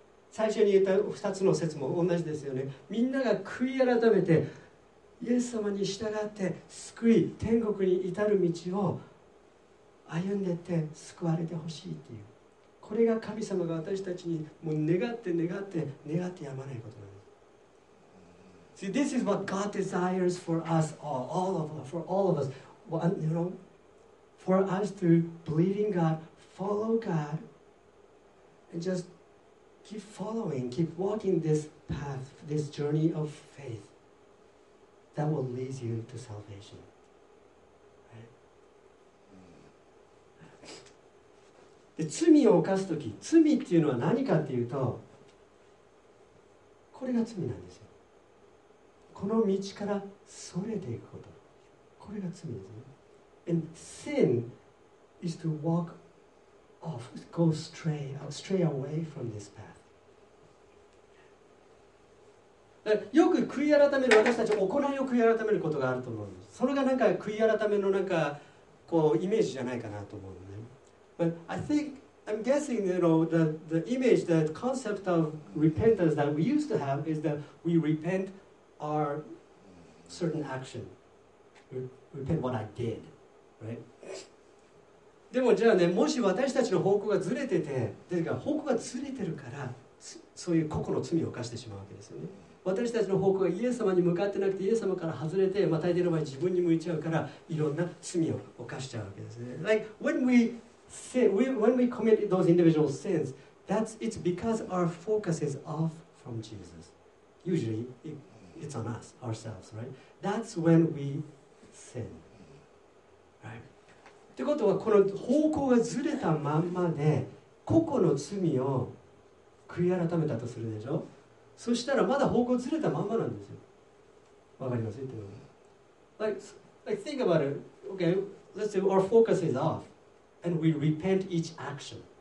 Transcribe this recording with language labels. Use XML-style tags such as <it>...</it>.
<ja>最初に言った2つの説も同じですよね。みんなが悔い改めてイエス様に従って、救い、天国に至る道を歩んでいって救われてほしいっていう、これが神様が私たちにもう願って願って願ってやまないことなんです。</ja> <en>See, this is what God desires for us all, for all of us. You know, for us to believe in God, follow God, and just keep following, keep walking this path, this journey of faith that will lead you to salvation.</en> <ja>で、罪を犯すとき、罪っていうのは何かっていうと、これが罪なんですよ。この道からそれていくこと、これが罪ですね。</ja> <en>And sin is to walk off, go stray away from this path.</en> <ja>よく悔い改める、私たち行いを悔い改めることがあると思うんです。それがなんか悔い改めのなんかこうイメージじゃないかなと思うんです。</ja> <en>But I think, I'm guessing, you know, the image, the concept of repentance that we used to have is that we repent our certain action. Repent what I did, right?</en> <ja>でもじゃあね、もし私たちの方向がずれてて、ですから方向がずれてるから、そういう個々の罪を犯してしまうわけですよね。私たちの方向がイエス様に向かってなくて、イエス様から外れて、また大抵の場合自分に向いちゃうから、いろんな罪を犯しちゃうわけですね。</ja> <en>Like, when we... Sin, when we commit those individual sins, that's it's because our focus is off from Jesus. Usually, it's on us, ourselves, right? That's when we sin, right?</en> <ja>ってことは、この方向がずれたまんまで、個々の罪を悔い改めたとするでしょ。そしたらまだ方向ずれたまんまなんですよ。わかります？言ってるの。</ja> <en>like think about it. Okay, let's say our focus is off, and we repent each action.</en>